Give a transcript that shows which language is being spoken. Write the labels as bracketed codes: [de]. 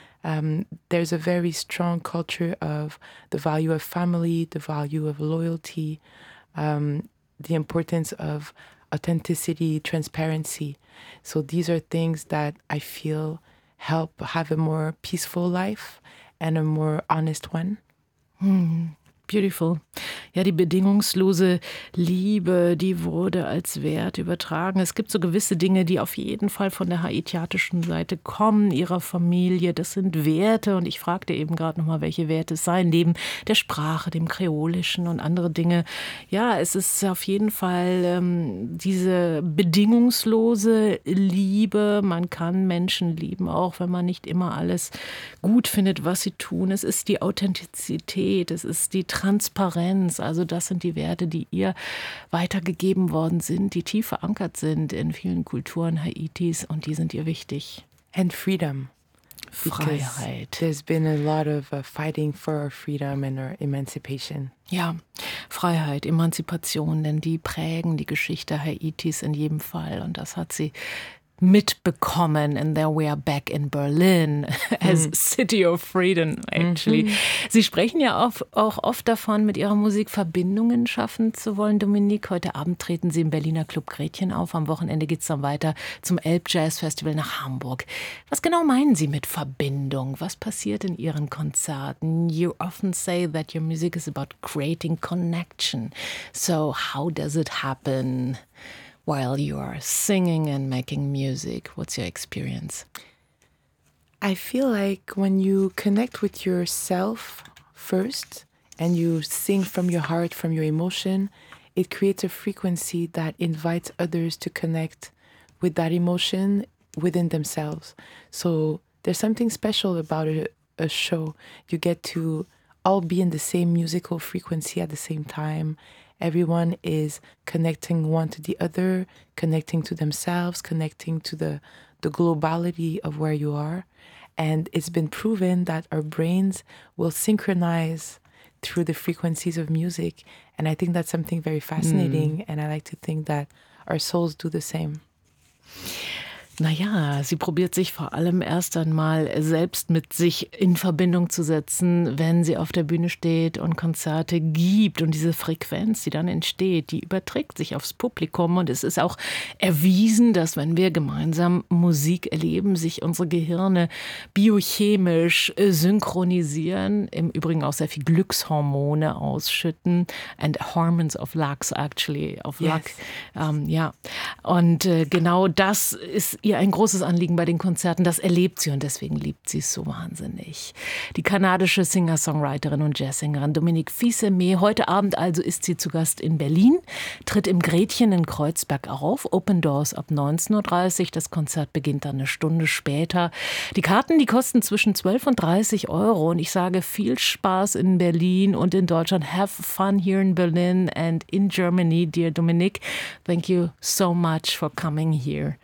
[en] There's a very strong culture of the value of family, the value of loyalty, the importance of authenticity, transparency. So these are things that I feel help have a more peaceful life and a more honest one. Beautiful. [de] Ja, die bedingungslose Liebe, die wurde als Wert übertragen. Es gibt so gewisse Dinge, die auf jeden Fall von der haitianischen Seite kommen, ihrer Familie. Das sind Werte und ich fragte eben gerade nochmal, welche Werte es seien, neben der Sprache, dem Kreolischen und andere Dinge. Ja, es ist auf jeden Fall diese bedingungslose Liebe. Man kann Menschen lieben, auch wenn man nicht immer alles gut findet, was sie tun. Es ist die Authentizität, es ist die Transparenz, also das sind die Werte, die ihr weitergegeben worden sind, die tief verankert sind in vielen Kulturen Haitis und die sind ihr wichtig. [en] And freedom. [de] Freiheit. [en] There's been a lot of fighting for our freedom and our emancipation. [de] Ja, Freiheit, Emanzipation, denn die prägen die Geschichte Haitis in jedem Fall und das hat sie mitbekommen, [en] and there we are back in Berlin as City of Freedom, actually. Mm-hmm. [de] Sie sprechen ja auch oft davon, mit ihrer Musik Verbindungen schaffen zu wollen. Dominique, heute Abend treten Sie im Berliner Club Gretchen auf. Am Wochenende geht es dann weiter zum Elb Jazz Festival nach Hamburg. Was genau meinen Sie mit Verbindung? Was passiert in Ihren Konzerten? [en] You often say that your music is about creating connection. So how does it happen while you are singing and making music? What's your experience? I feel like when you connect with yourself first and you sing from your heart, from your emotion, it creates a frequency that invites others to connect with that emotion within themselves. So there's something special about a show. You get to all be in the same musical frequency at the same time. Everyone is connecting one to the other, connecting to themselves, connecting to the globality of where you are. And it's been proven that our brains will synchronize through the frequencies of music. And I think that's something very fascinating. And I like to think that our souls do the same. [de] Naja, sie probiert sich vor allem erst einmal selbst mit sich in Verbindung zu setzen, wenn sie auf der Bühne steht und Konzerte gibt. Und diese Frequenz, die dann entsteht, die überträgt sich aufs Publikum. Und es ist auch erwiesen, dass wenn wir gemeinsam Musik erleben, sich unsere Gehirne biochemisch synchronisieren, im Übrigen auch sehr viel Glückshormone ausschütten. [en] And hormones of luck, actually. Of luck. Yes. [de] Und genau das ist ihr ein großes Anliegen bei den Konzerten, das erlebt sie und deswegen liebt sie es so wahnsinnig. Die kanadische Singer-Songwriterin und Jazzsängerin Dominique Fils-Aimé, heute Abend also ist sie zu Gast in Berlin, tritt im Gretchen in Kreuzberg auf, Open Doors ab 19.30 Uhr, das Konzert beginnt dann eine Stunde später. Die Karten, die kosten zwischen 12 und 30 Euro und ich sage viel Spaß in Berlin und in Deutschland. [en] Have fun here in Berlin and in Germany, dear Dominique. Thank you so much for coming here.